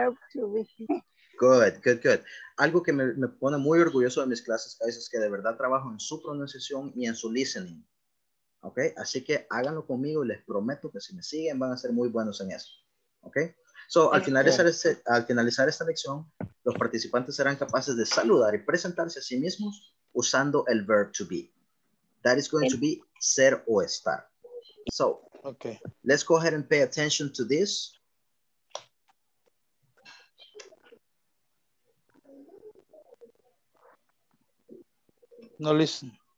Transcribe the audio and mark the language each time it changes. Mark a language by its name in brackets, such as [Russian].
[English] By the end of this lecture, participants will be able to greet and introduce themselves using the verb to be. [Spanish] Algo que me pone muy orgulloso de mis clases es que de verdad trabajo en su pronunciación y en su listening. Ok, así que háganlo conmigo y les prometo que si me siguen van a ser muy buenos en eso. Ok, so al finalizar esta lección, los participantes serán capaces de saludar y presentarse a sí mismos usando el verb to be. [English] That is going to be [Spanish] ser o estar. [English] So, okay. Let's go ahead and pay attention to this. No listen.